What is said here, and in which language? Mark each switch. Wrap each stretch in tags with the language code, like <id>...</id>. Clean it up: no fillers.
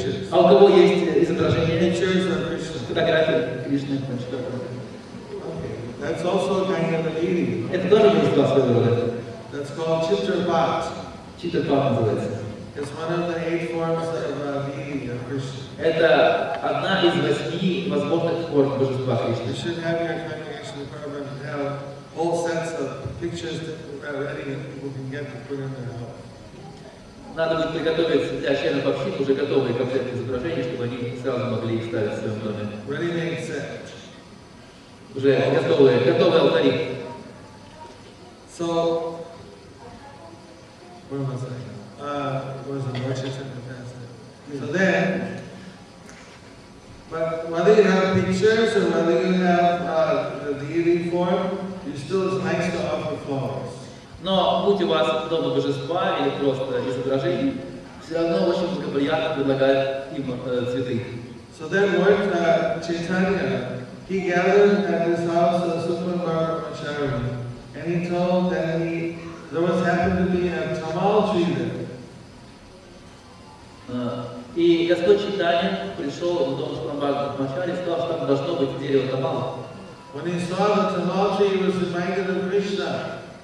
<ru>А у кого есть изображение?</ru> <en>Pictures of Krishna.</en> <ru>Фотография Кришны.</ru> <en>Okay. That's also a kind of a deity.</en> <ru>Это тоже божество своего рода.</ru> <en>That's called Chitrapat.</en> <ru>Chitrapat называется.</ru> <en>It's one of the eight forms of a deity of Krishna.</en> <ru>Это одна из восьми возможных форм божества Кришны.</ru> <en>You should have your congregation department have whole sets of pictures that are ready and people can get to put in their house.</en> <ru>Надо будет приготовить для членов общин уже готовые комплекты изображений, чтобы они сразу могли их ставить в своем доме. Уже готовые, готовые алтари.</ru> <en>So, where was I? So then, but whether you have pictures or whether you have the deity form, it's still nice to offer flowers.</en> <ru>Но будь у вас дома божества или просто изображение, все равно очень благоприятно предлагают им цветы.</ru> <en>So then Lord Chaitanya, he gathered at his house a super marcharam, and he told that he there was happened to be a tamal tree there.</en> <ru>И Господь Чайтанья пришел в дом Шрамбхага в Мачаре и сказал, что там должно быть дерево тамала.</ru> <en>When he saw the tamal tree, he was reminded of Krishna.</en>